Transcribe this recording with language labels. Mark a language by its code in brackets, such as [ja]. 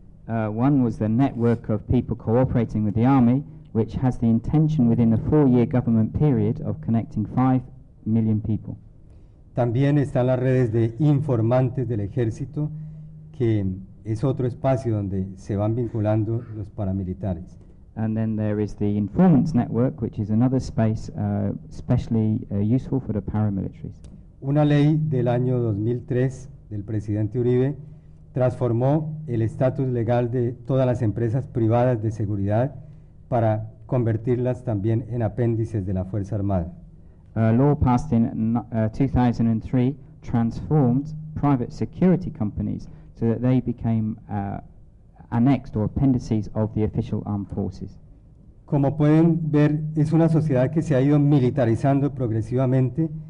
[en] One was the network of people cooperating with the army, which has the intention within the 4-year government period of connecting 5 million people. [es] También están las redes de informantes del ejército, que es otro espacio donde se van vinculando los paramilitares. [en] And then there is the informants network, which is another space especially useful for the paramilitaries. [es] Una ley del año 2003 del presidente Uribe transformó el estatus legal de todas las empresas privadas de seguridad para convertirlas también en apéndices de la Fuerza Armada. [en] A law passed in 2003 transformed private security companies so that they became annexed or appendices of the official armed forces. [es] Como pueden ver, es una sociedad que se ha ido militarizando progresivamente.